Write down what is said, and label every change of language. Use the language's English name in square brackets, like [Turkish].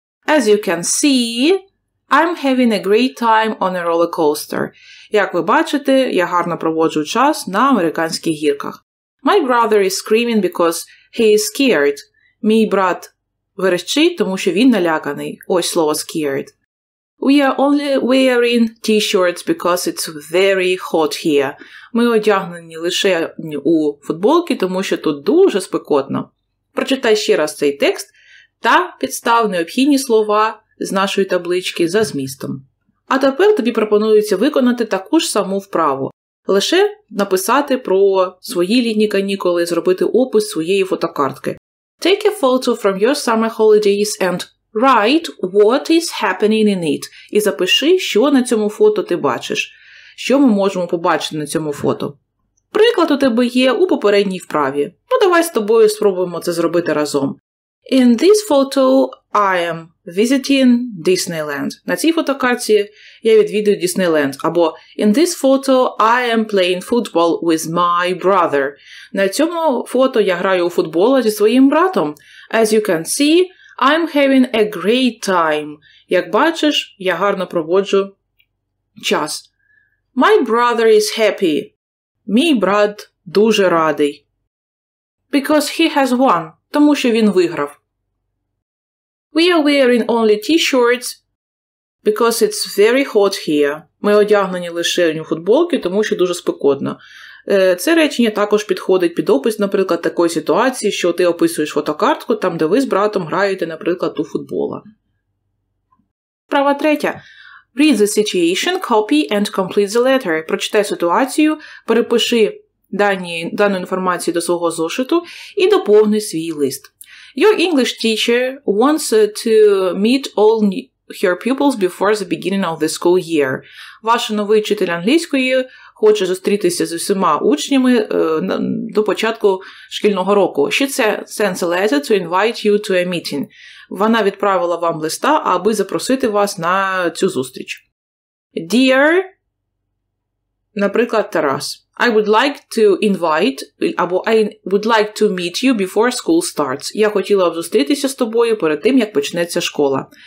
[English] As you can see, I'm having a great time on a roller coaster. [Ukrainian] Як ви бачите, я гарно проводжу час на американських гірках. [English] My brother is screaming because he is scared. [Ukrainian] Мій брат верещить, тому що він наляканий. Ось слово scared. [English] We are only wearing t-shirts because it's very hot here. [Ukrainian] Ми одягнені лише у футболки, тому що тут дуже спекотно. Прочитай ще раз цей текст та підстав необхідні слова з нашої таблички за змістом. А тепер тобі пропонується виконати таку ж саму вправу. Лише написати про свої літні канікули, зробити опис своєї фотокартки. [English] Take a photo from your summer holidays and write what is happening in it. [Ukrainian] І запиши, що на цьому фото ти бачиш. Що ми можемо побачити на цьому фото. Приклад у тебе є у попередній вправі. Ну, давай з тобою спробуємо це зробити разом. [English] In this photo I am visiting Disneyland. [Ukrainian] На цій фотокарті я відвідую Disneyland. Або [English] in this photo I am playing football with my brother. [Ukrainian] На цьому фото я граю у футбол зі своїм братом. [English] As you can see, I'm having a great time. [Ukrainian] Як бачиш, я гарно проводжу час. [English] My brother is happy. [Ukrainian] Мій брат дуже радий. [English] Because he has won. [Ukrainian] Тому що він виграв. [English] We are wearing only t-shirts because it's very hot here. [Ukrainian] Ми одягнені лише у футболки, тому що дуже спекотно. Це речення також підходить під опис, наприклад, такої ситуації, що ти описуєш фотокартку там, де ви з братом граєте, наприклад, у футбола. Справа третя. [English] Read the situation, copy and complete the letter. [Ukrainian] Прочитай ситуацію, перепиши дану інформацію до свого зошиту і доповни свій лист. [English] Your English teacher wants to meet all her pupils before the beginning of the school year. [Ukrainian] Ваш новий вчитель англійської хоче зустрітися з усіма учнями до початку шкільного року. [English] She sends a letter to invite you to a meeting. [Ukrainian] Вона відправила вам листа, аби запросити вас на цю зустріч. [English] Dear, [Ukrainian] наприклад, [English] Тарас, I would like to invite, [Ukrainian] або [English] I would like to meet you before school starts. [Ukrainian] Я хотіла б зустрітися з тобою перед тим, як почнеться школа.